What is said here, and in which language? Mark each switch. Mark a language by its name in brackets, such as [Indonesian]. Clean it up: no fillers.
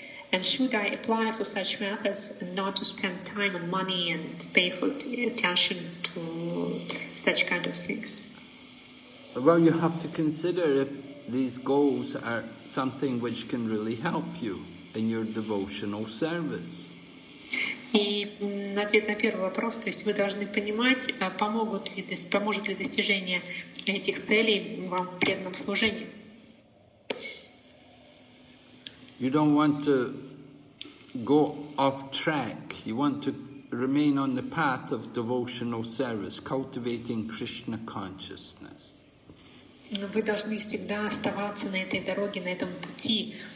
[English] And should I apply for such methods and not to spend time and money and pay for attention to such kind of things? Well, you have to consider if these goals are something which can really help you in your devotional service. [Russian] И ответ на первый вопрос, то есть вы должны понимать, поможет ли достижение этих целей вам в преданном служении. [English] You don't want to go off track. You want to remain on the path of devotional service, cultivating Krishna consciousness. [Russian] Вы должны всегда оставаться на этой дороге, на этом пути,